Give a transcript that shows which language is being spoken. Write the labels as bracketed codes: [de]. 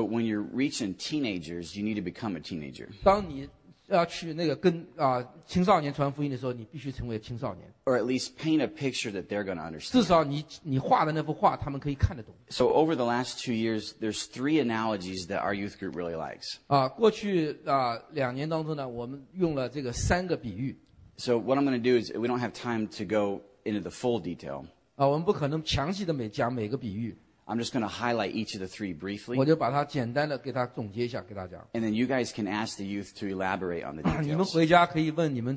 [en] when you're reaching teenagers, you need to become a teenager. [zh] 当你 要去那个跟青少年传福音的时候，你必须成为青少年。 [en] Or at least paint a picture that they're going to understand. [zh] 至少你画的那幅画，他们可以看得懂。 [en] So over the last 2 years, there's three analogies that our youth group really likes. [zh] 过去两年当中呢，我们用了这个三个比喻。 [en] So what I'm going to do is we don't have time to go into the full detail. [zh] 我们不可能详细的讲每个比喻。 [en] I'm just going to highlight each of the three briefly. [zh] 我就把它简单的给它总结一下给大家。 [en] And then you guys can ask the youth to elaborate on the details.